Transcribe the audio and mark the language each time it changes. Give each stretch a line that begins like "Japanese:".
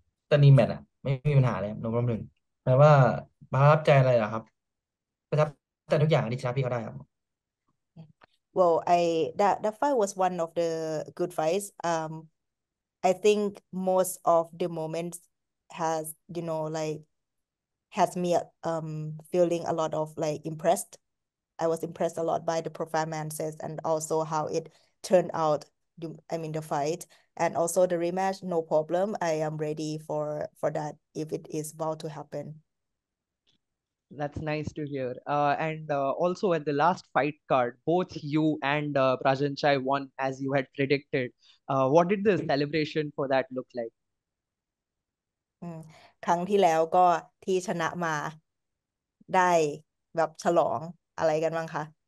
Thai: ตอนนี้แมตช์อ่ะไม่มีปัญหาเลยโน้ตรวมหนึ่งแปลว่าประทับใจอะไรเหรอครับประทับแต่ทุกอย่างที่ชนะพี่เขาได้ครับ
English: Well, that fight was one of the good fights. I think most of the moments has, has me feeling a lot of like impressed. I was impressed a lot by the performances and also how it turned out. I mean the fight and also the rematch. No problem. I am ready for that if it is about to happen. That's nice to hear. And also at the last fight card, both you and Prajan Chai won as you had predicted. What did the celebration for that look like?
Thai: ครั้งที่แล้วก็ที่ชนะมาได้แบบฉลองอะไรกันบ้างคะ